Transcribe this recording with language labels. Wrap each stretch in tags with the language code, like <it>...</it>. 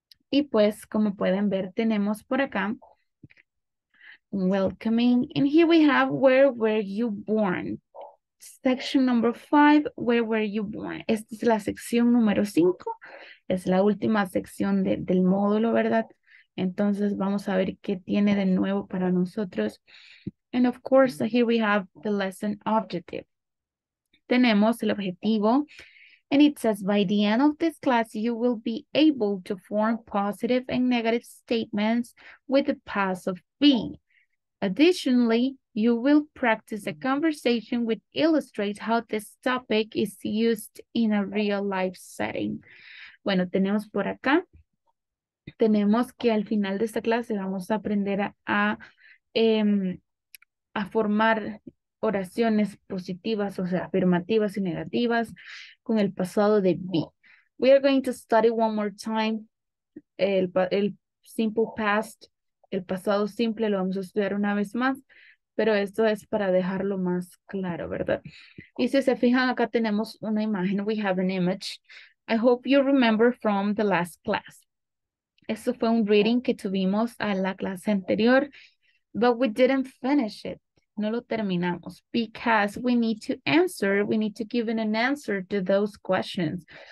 <es>Y pues, como pueden ver, tenemos por acá</es> <en>welcoming, and here we have where were you born? Section number five, where were you born?</en> <es>Esta es la sección número cinco, es la última sección del módulo, ¿verdad? Entonces vamos a ver qué tiene de nuevo para nosotros.</es> <en>And of course, here we have the lesson objective.</en> <es>Tenemos el objetivo,</es> <en>and it says by the end of this class, you will be able to form positive and negative statements with the past of being. Additionally, you will practice a conversation which illustrates how this topic is used in a real life setting.</en> <es>Bueno, tenemos por acá, tenemos que al final de esta clase vamos a aprender a formar oraciones positivas, o sea, afirmativas y negativas con el pasado de be.</es> <en>We are going to study one more time el simple past.</en> <es>El pasado simple lo vamos a estudiar una vez más, pero esto es para dejarlo más claro, ¿verdad? Y si se fijan, acá tenemos una imagen.</es> <en>We have an image. I hope you remember from the last class.</en> <es>Eso fue un reading que tuvimos a la clase anterior,</es> <en>but we didn't finish it.</en> <es>No lo terminamos.</es> <en>Because we need to answer, we need to give an answer to those questions.</en>